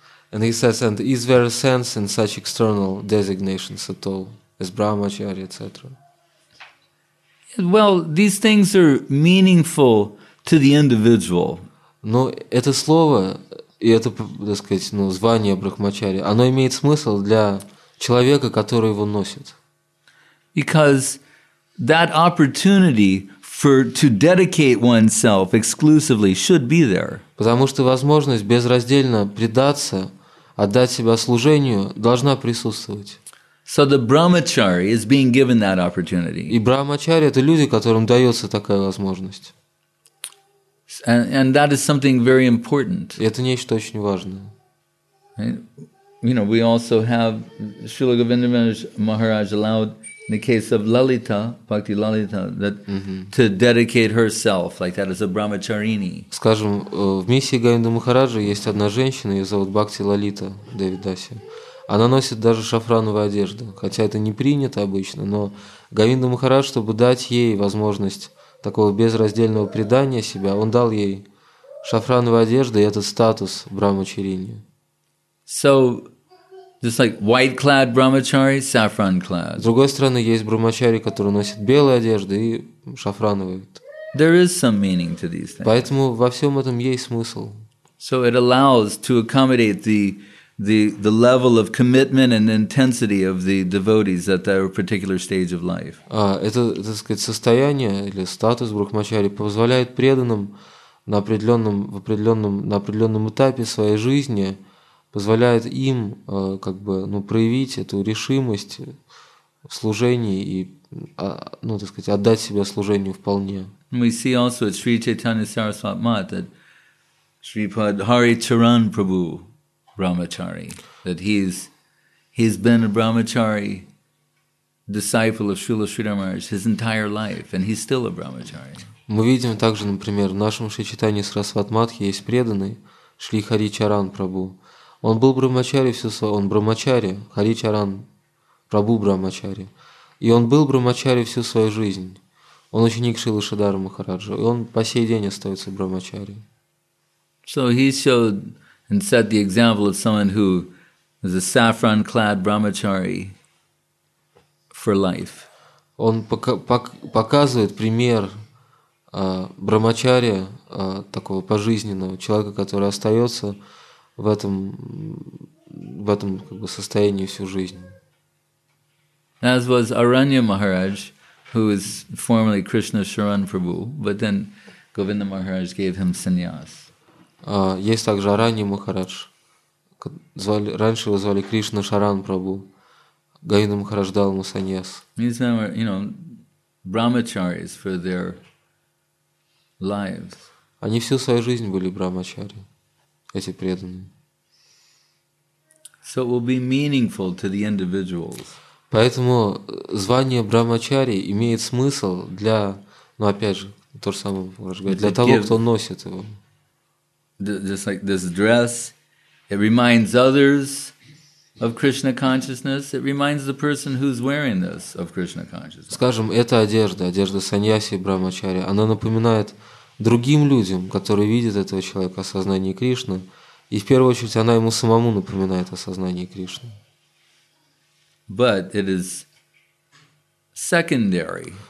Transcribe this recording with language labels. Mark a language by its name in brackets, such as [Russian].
[English] And he says, and is there a sense in such external designations at all, as brahmachari, etc.? Well, these things are meaningful to the individual. [Russian] Но это слово и это, так сказать, звание брахмачари, оно имеет смысл для человека, который его носит. [English] Because that opportunity for to dedicate oneself exclusively should be there. [Russian] Потому что возможность безраздельно предаться, отдать себя служению, должна присутствовать. [English] So the brahmachari is being given that opportunity. [Russian] И брахмачари – это люди, которым дается такая возможность. [English] And that is something very important. [Russian] Это нечто очень важное. [English] You know, we also have Srila Govindaraj Maharaj allowed in the case of Lalita, Bhakti Lalita, that to dedicate herself like that as a brahmacharini. [Russian] Скажем, в миссии Говинда Махараджа есть одна женщина, ее зовут Бхакти Лалита Девидаси. Она носит даже шафрановую одежду, хотя это не принято обычно, но Говинда Махарадж, чтобы дать ей возможность такого безраздельного предания себя, он дал ей шафрановую одежду и этот статус брахмачарини. [English] So, just like white-clad brahmachari, saffron-clad. [Russian] С другой стороны, есть брахмачари, которые носят белые одежды и шафрановые. [English] There is some meaning to these things. [Russian] Поэтому во всем этом есть смысл. [English] So it allows to accommodate the level of commitment and intensity of the devotees at their particular stage of life. [Russian] Это, так сказать, состояние или статус брахмачари позволяет преданным на определенном этапе своей жизни позволяет им проявить эту решимость служения и отдать себя служению вполне. [English] We see also at Sri Chaitanya Saraswat Math that Sri Pad Hari Charan Prabhu Brahmachari, that he's been a Brahmachari disciple of Srila Sridhar Maharaj his entire life, and he's still a Brahmachari. [Russian] Мы видим также, например, в нашем Шри Чайтанье Сарасват Матхе есть преданный Шри Хари Чаран Прабу. Он был брахмачари всю свою, он брахмачари, Хари Чаран Прабу брахмачари, и он был брахмачари всю свою жизнь. Он ученик Шрилы Шридхара Махараджа, и он по сей день остается брахмачари. [English] So he showed and set the example of someone who is a saffron-clad brahmachari for life. [Russian] Он показывает пример брахмачария такого пожизненного человека, который остается в этом состоянии всю жизнь. [English] As was Aranya Maharaj, who was formerly Krishna Sharan Prabhu, but then Govinda Maharaj gave him sannyas. [Russian] Есть также Арани Махарадж. Раньше его звали Кришна Шаран Прабу. Говинда Махарадж дал ему саньяс. [English] These men were, you know, brahmacharis for their lives. [Russian] Они всю свою жизнь были брахмачари, эти преданные. [English] So it will be meaningful to the individuals. [Russian] Поэтому звание брахмачари имеет смысл для, ну опять же, то же самое, можно сказать, для того, кто носит его. [English] Just like this dress, it reminds others of Krishna consciousness. It reminds the person who's wearing this of Krishna consciousness. [Russian] Скажем, эта одежда, одежда саньяси и брахмачари, она напоминает другим людям, которые видят этого человека, осознание Кришны, и в первую очередь она ему самому напоминает осознание Кришны. [English] But it is secondary.